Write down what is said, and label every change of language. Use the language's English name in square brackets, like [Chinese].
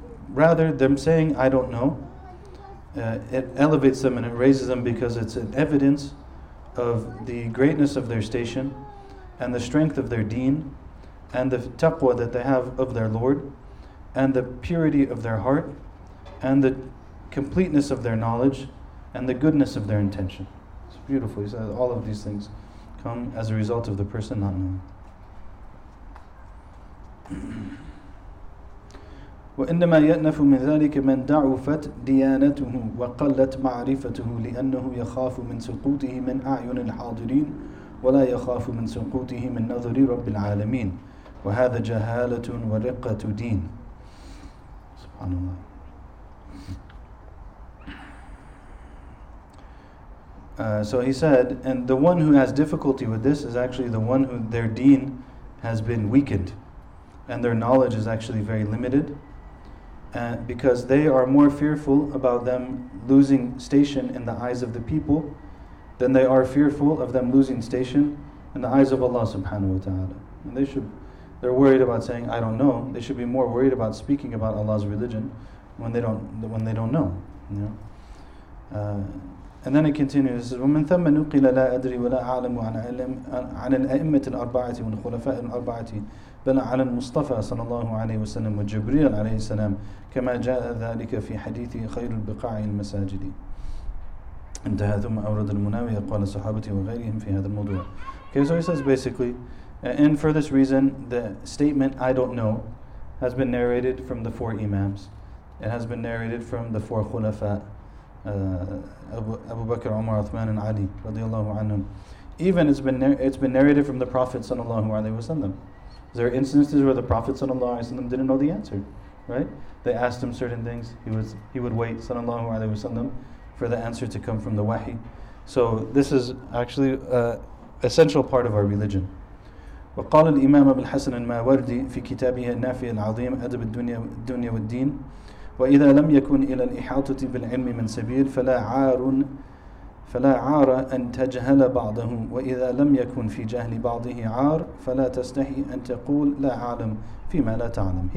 [English] Rather, them saying, I don't know, it elevates them and it raises them because it's an evidence of the greatness of their station and the strength of their deen and the taqwa that they have of their Lord and the purity of their heart and the completeness of their knowledge and the goodness of their intention. It's beautiful. He said all of these things come as a result of the person not knowing. [Arabic] وإنما يأنف من ذلك من ضعفت ديانته وقلت معرفته لأنه يخاف من سقوطه من أعين الحاضرين ولا يخاف من سقوطه من نظر رب العالمين وهذا جهالة ورقة دين. سبحان الله. [English] So he said, and the one who has difficulty with this is actually the one who their deen has been weakened and their knowledge is actually very limited. Because they are more fearful about them losing station in the eyes of the people than they are fearful of them losing station in the eyes of Allah subhanahu wa ta'ala. And they're worried about saying, I don't know. They should be more worried about speaking about Allah's religion when they don't know. You know? And then it continues, [Arabic] وَمِنْ ثَمَّ نُقِلَ لَا أَدْرِي وَلَا أَعْلَمُ عَنَ الْأَئِمَّةِ الْأَرْبَعَةِ وَالْخُلَفَاءِ الْأَرْبَعَةِ بل على المصطفى صلى الله عليه وسلم وجبريل عليه السلام كما جاء ذلك في حديث خير البقاع المساجد انتهى ثم أورد المناوي قال صحابتي وغيرهم في هذا الموضوع. [English] Okay, so he says basically, and for this reason, the statement I don't know has been narrated from the four imams. It has been narrated from the four خلفاء, Abu Bakr, Umar, Uthman, and Ali [Arabic] رضي الله عنهم. [English] Even it's been narrated from the Prophet [Arabic] صلى الله عليه وسلم. [English] There are instances where the Prophet ﷺ didn't know the answer, right? They asked him certain things, he would wait ﷺ for the answer to come from the wahi. So this is actually an essential part of our religion. [Arabic] وقال الإمام أبو الحسن الماوردي في كتابه النافي العظيم أدب الدنيا والدين وإذا لم يكن إلى الإحاطة بالعلم من سبيل فلا عار أن تجهل بعضه وإذا لم يكن في جهل بعضه عار فلا تستحي أن تقول لا أعلم فيما لا تعلم.